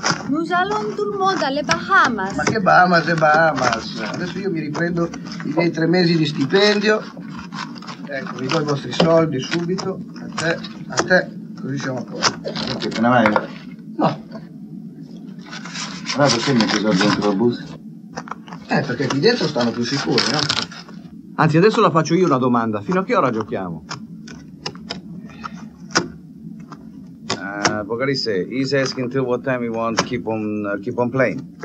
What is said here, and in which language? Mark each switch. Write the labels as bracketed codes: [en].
[fr] Nous allons tout le monde [it] alle Bahamas. Ma che Bahamas e Bahamas? Adesso io mi riprendo i miei 3 mesi di stipendio. Ecco, vi do i vostri soldi subito. A te, così siamo a posto. Ok, te ne vai? No. Ma perché mi hai chiuso dentro la busta? Perché qui dentro stanno più sicuri, no? Anzi, adesso la faccio io una domanda. Fino a che ora giochiamo? [en] Apocalisse, he's asking till what time he wants to keep on playing.